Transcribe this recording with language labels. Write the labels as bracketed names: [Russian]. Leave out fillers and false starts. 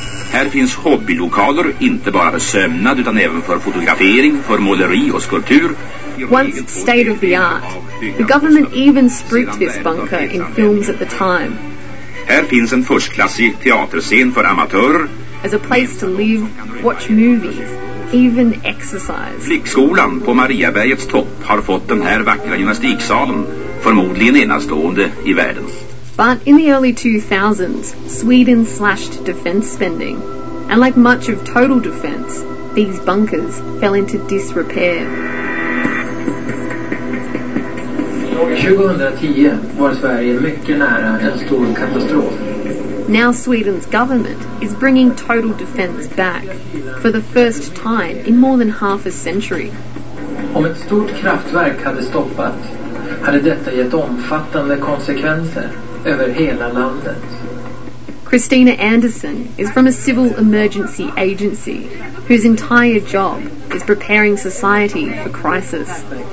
[Swedish] Här finns hobbylokaler, inte bara för sömnad utan även för fotografering, för måleri och skulptur. [English] Once state of the art, the government even spruced this bunker in films at the time. [Swedish] Här finns en förstklassig teaterscen för amatörer. [English] As a place to live, watch movies, even exercise. [Swedish] Flickskolan på Mariabergets topp har fått den här vackra gymnastiksalen, förmodligen enastående i världen. [English] But in the early 2000s, Sweden slashed defense spending. And like much of total defense, these bunkers fell into disrepair. [Swedish] 2010 var Sverige mycket nära en stor katastrof. [English] Now Sweden's government is bringing total defense back for the first time in more than half a century. [Swedish] Om ett stort kraftverk hade stoppat, hade detta gett omfattande konsekvenser över hela landet. [English] Christina Anderson is from a civil emergency agency whose entire job is preparing society for crisis.